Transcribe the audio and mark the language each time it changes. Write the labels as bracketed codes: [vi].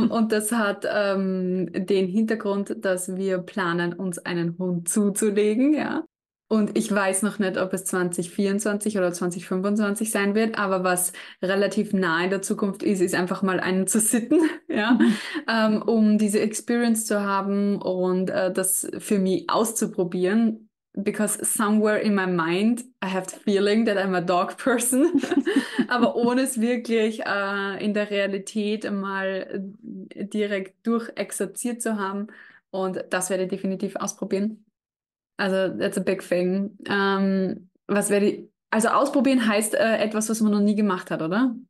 [de] und das hat den Hintergrund, dass wir planen, uns einen Hund zuzulegen, ja. Und ich weiß noch nicht, ob es 2024 oder 2025 sein wird, aber was relativ nah in der Zukunft ist, ist einfach mal einen zu sitten, ja, um diese Experience zu haben und das für mich auszuprobieren. [en] Because somewhere in my mind, I have the feeling that I'm a dog person. [de] Aber ohne es wirklich in der Realität mal direkt durchexerziert zu haben. Und das werde ich definitiv ausprobieren. Also, [en] that's a big thing. [de] Was werde ich, also ausprobieren heißt etwas, was man noch nie gemacht hat, oder?